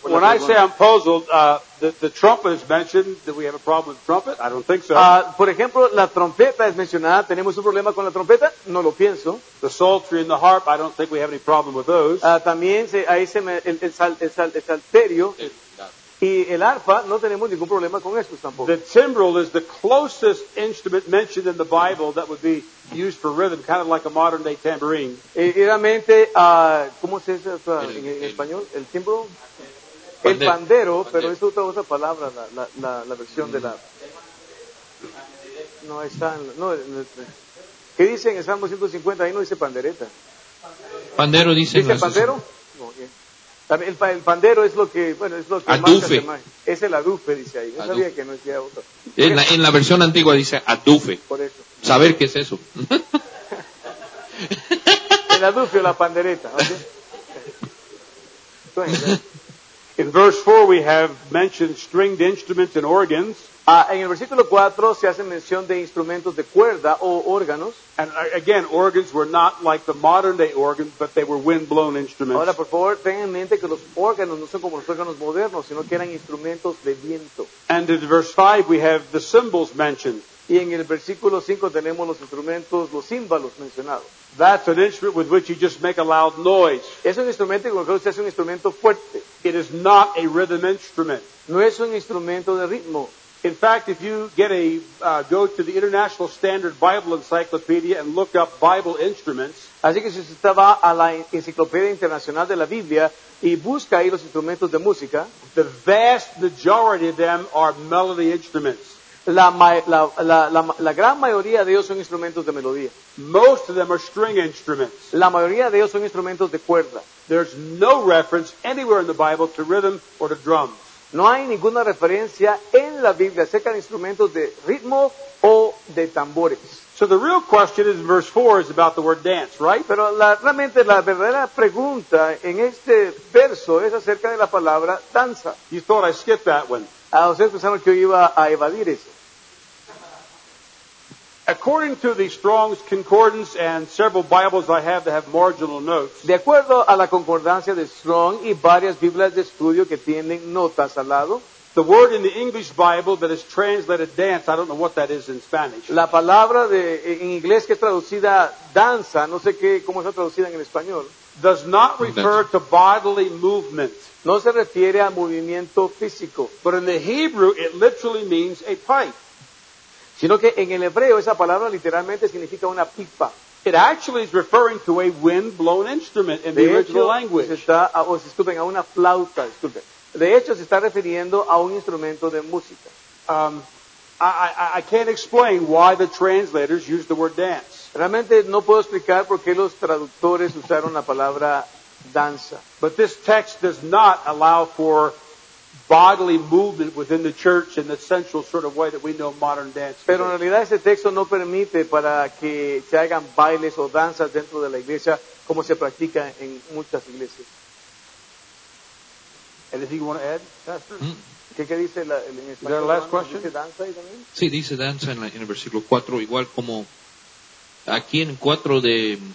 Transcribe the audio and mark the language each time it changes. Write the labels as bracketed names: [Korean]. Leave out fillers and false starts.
[English] When I say I'm puzzled, the trumpet is mentioned. Do we have a problem with the trumpet? I don't think so. [Spanish] Por ejemplo, la trompeta es mencionada. ¿Tenemos un problema con la trompeta? No lo pienso. [English] The psaltery and the harp, I don't think we have any problem with those. [Spanish] También, ahí se me, el salterio. Y el arpa no tenemos ningún problema con eso tampoco. [English] The timbrel is the closest instrument mentioned in the Bible that would be used for rhythm, kind of like a modern day tambourine. [Spanish] Realmente, ¿cómo se dice eso en español? El timbrel, el pandero, pero es otra palabra, la versión de la. No está, no. ¿Qué dice en el Salmo 150? Ahí no dice pandereta. Pandero dice. ¿Dice pandero? El pandero es lo que, bueno, es lo que adufe. Marca, es el adufe, dice ahí. Yo adufe. Sabía que no decía otro. En la versión antigua dice adufe. Por eso. Saber qué es eso. El adufe o la pandereta. ¿Okay? [English] In verse 4 we have mentioned stringed instruments and organs. [Spanish] En el versículo 4 se hace mención de instrumentos de cuerda o órganos. [English] And again, organs were not like the modern day organs, but they were wind-blown instruments. [Spanish] Ahora, por favor, tengan en mente que los órganos no son como los órganos modernos, sino que eran instrumentos de viento. [English] And in verse 5 we have the cymbals mentioned. [Spanish] Y en el versículo 5 tenemos los instrumentos, los címbalos mencionados. [English] That's an instrument with which you just make a loud noise. [Spanish] Es un instrumento con el que usted hace un instrumento fuerte. [English] It is not a rhythm instrument. [Spanish] No es un instrumento de ritmo. [English] In fact, if you get a go to the International Standard Bible Encyclopedia and look up Bible instruments. [Spanish] Así que si usted va a la Enciclopedia Internacional de la Biblia y busca ahí los instrumentos de música, [English] the vast majority of them are melody instruments. [Spanish] La gran mayoría de ellos son instrumentos de melodía. [English] Most of them are string instruments. [Spanish] La mayoría de ellos son instrumentos de cuerda. [English] There's no reference anywhere in the Bible to rhythm or to drums. [Spanish] No hay ninguna referencia en la Biblia acerca de instrumentos de ritmo o de tambores. [English] So the real question is in verse 4 is about the word dance, right? [Spanish] Pero realmente la verdadera pregunta en este verso es acerca de la palabra danza. [English] You thought I skipped that one. [Spanish] Ustedes pensaron que yo iba a evadir eso. [English] According to the Strong's Concordance and several Bibles I have that have marginal notes. [Spanish] De acuerdo a la concordancia de Strong y varias Biblias de estudio que tienen notas al lado. [English] The word in the English Bible that is translated dance, I don't know what that is in Spanish. [Spanish] La palabra en inglés que es traducida danza, no sé qué cómo está traducida en el español. [English] Does not refer to bodily movement. [Spanish] No se refiere a movimiento físico. [English] But in the Hebrew, it literally means a pipe. [Spanish] Sino que en el hebreo esa palabra literalmente significa una pipa. [English] It actually is referring to a wind-blown instrument in [Spanish] de [English] the [Spanish] hecho, [English] original language. [Spanish] A una flauta, disculpen. De hecho, se está refiriendo a un instrumento de música. [English] I can't explain why the translators used the word dance. [Spanish] Realmente no puedo explicar por qué los traductores usaron la palabra danza. [English] But this text does not allow for bodily movement within the church in the sensual sort of way that we know modern dance. [Spanish] Pero en realidad ese texto no permite para que se hagan bailes o danzas dentro de la iglesia como se practica en muchas iglesias. [English] Anything you want to add, Pastor? [Spanish] ¿Qué dice en español? [English] Is that last question? [Spanish] ¿Dice danza ahí también? Sí, dice danza en el versículo 4, igual como aquí en 4 de...